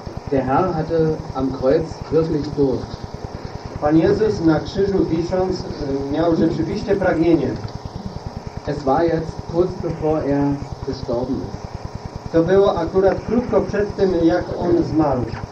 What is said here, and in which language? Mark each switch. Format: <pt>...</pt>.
<de>Der Herr hatte am Kreuz wirklich Durst.</de> <pl>Pan Jezus na krzyżu wisząc miał rzeczywiście pragnienie.</pl> <de>Es war jetzt kurz bevor gestorben ist.</de> <pl>To było akurat krótko przed tym, jak on zmarł.</pl>